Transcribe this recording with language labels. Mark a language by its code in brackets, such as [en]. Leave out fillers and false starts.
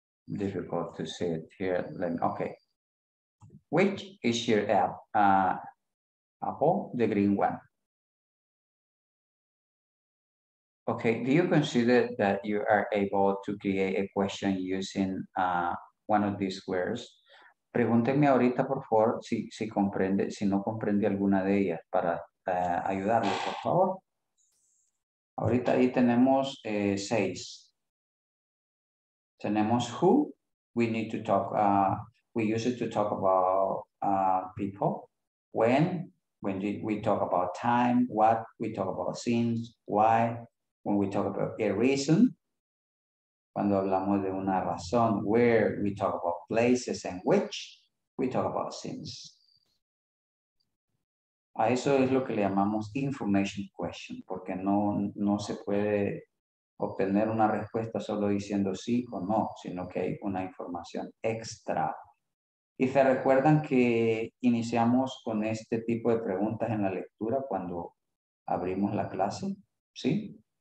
[en] Difficult to see it here. Which is your apple? The green one. Okay, do you consider that you are able to create a question using one of these squares? [es] Pregúntenme ahorita, por favor, si comprende, si no comprende alguna de ellas para ayudarle, por favor. Ahorita ahí tenemos seis. Tenemos who. [en] We need to talk, we use it to talk about people. When did we talk about time, what, we talk about things, why, when we talk about a reason, [es] cuando hablamos de una razón, [en] where, we talk about places, and which, we talk about things. [es] A eso es lo que le llamamos information question, porque no se puede obtener una respuesta solo diciendo sí o no, sino que hay una información extra. Y se recuerdan que iniciamos con este tipo de preguntas en la lectura cuando abrimos la clase, ¿sí?